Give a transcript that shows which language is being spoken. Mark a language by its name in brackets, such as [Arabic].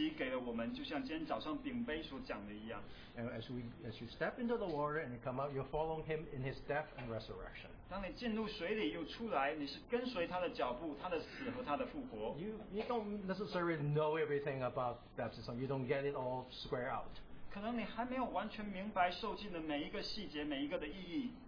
[Chinese] 就是因为主在爱中，他把他自己给了我们，就像今天早上饼杯所讲的一样。 [English] And as you step into the water and come out, you're following Him in His death and resurrection. [Chinese] 当你进入水里又出来，你是跟随他的脚步，他的死和他的复活。 [English] You don't necessarily know everything about baptism. You don't get it all square out. [Chinese] 可能你还没有完全明白受浸的每一个细节，每一个的意义。